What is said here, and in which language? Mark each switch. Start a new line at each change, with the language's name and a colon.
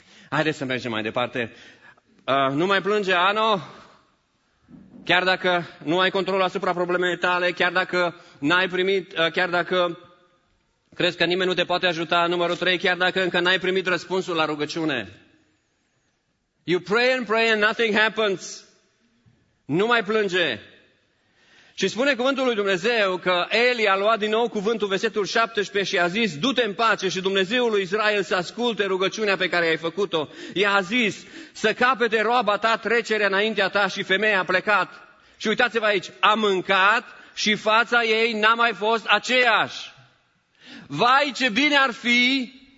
Romanian: Haideți să mergem mai departe. Nu mai plânge, Ana. Chiar dacă nu ai control asupra problemei tale, chiar dacă n-ai primit, chiar dacă crezi că nimeni nu te poate ajuta, numărul 3, chiar dacă încă n-ai primit răspunsul la rugăciune.
English: You pray and pray and nothing happens.
Romanian: Nu mai plânge. Și spune cuvântul lui Dumnezeu că Eli a luat din nou cuvântul, versetul 17, și a zis, du-te în pace și Dumnezeul lui Israel să asculte rugăciunea pe care ai făcut-o. I-a zis, să capete roaba ta trecerea înaintea ta, și femeia a plecat. Și uitați-vă aici, a mâncat și fața ei n-a mai fost aceeași. Vai ce bine ar fi